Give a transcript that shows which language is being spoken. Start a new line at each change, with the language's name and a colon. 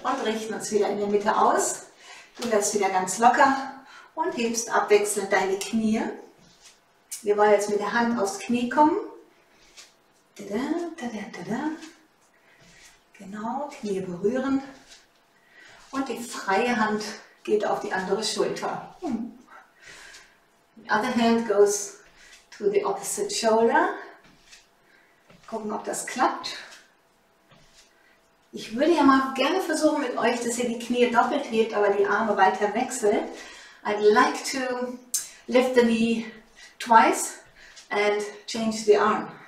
German: Und richten uns wieder in der Mitte aus. Du wirst wieder ganz locker und hebst abwechselnd deine Knie. Wir wollen jetzt mit der Hand aufs Knie kommen. Tada, tada, tada. Genau, Knie berühren. Und die freie Hand geht auf die andere Schulter.
English: The other hand goes to the opposite shoulder.
German: Gucken, ob das klappt. Ich würde ja mal gerne versuchen mit euch, dass ihr die Knie doppelt hebt, aber die Arme weiter wechselt.
English: I'd like to lift the knee twice and change the arm.